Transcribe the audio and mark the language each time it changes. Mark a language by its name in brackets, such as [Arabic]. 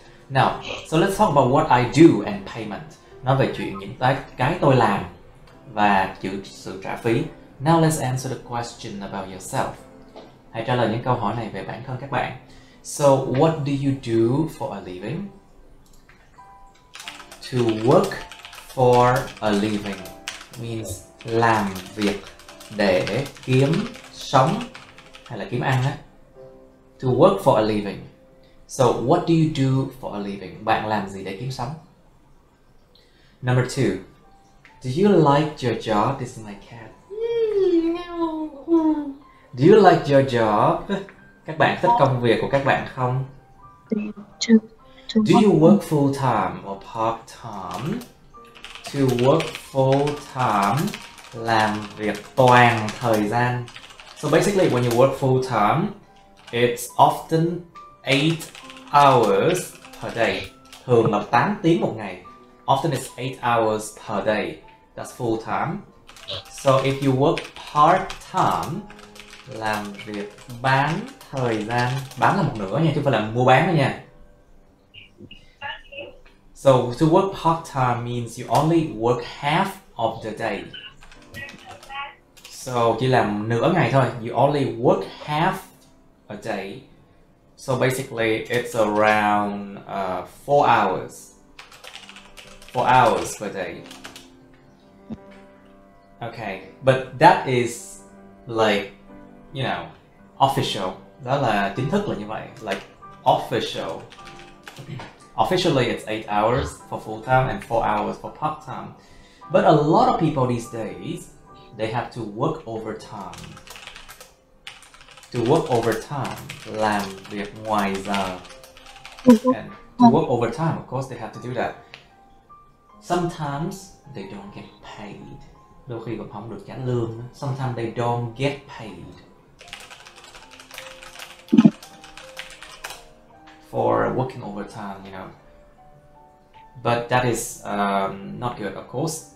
[English] Now, so let's talk about what I do and payment. [Vietnamese] Nói về chuyện những cái tôi làm và chữ sự trả phí. [English] Now let's answer the question about yourself. [Vietnamese] Hãy trả lời những câu hỏi này về bản thân các bạn. [English] So what do you do for a living? To work for a living means [Vietnamese] làm việc để kiếm sống hay là kiếm ăn á. [English] To work for a living. So what do you do for a living? [Vietnamese] Bạn làm gì để kiếm sống? [English] Number two. Do you like your job? This is my cat. Do you like your job? [Vietnamese] Các bạn thích công việc của các bạn không? [English] Do you work full time or part time? To work full time, [Vietnamese] làm việc toàn thời gian. [English] So basically, when you work full time, it's often 8 hours per day. [Vietnamese] Thường là 8 tiếng một ngày. [English] Often it's 8 hours per day. That's full time. So if you work part time, [Vietnamese] làm việc bán thời gian. Bán là một nửa nha, chứ không phải là mua bán nữa nha. [English] So to work part-time means you only work half of the day. So [Vietnamese] chỉ làm nửa ngày thôi. [English] You only work half a day. So basically it's around 4 hours. 4 hours per day. Okay, but that is like, you know, official. [Vietnamese] Đó là chính thức là như vậy. [English] Like official. Officially, it's 8 hours for full-time and 4 hours for part-time. But a lot of people these days, they have to work overtime. To work overtime, [Vietnamese] làm việc ngoài giờ. [English] And to work overtime, of course, they have to do that. Sometimes, they don't get paid. [Vietnamese] Đôi khi còn không được trả lương. [English] Sometimes, they don't get paid. For working overtime, you know. But that is not good, of course.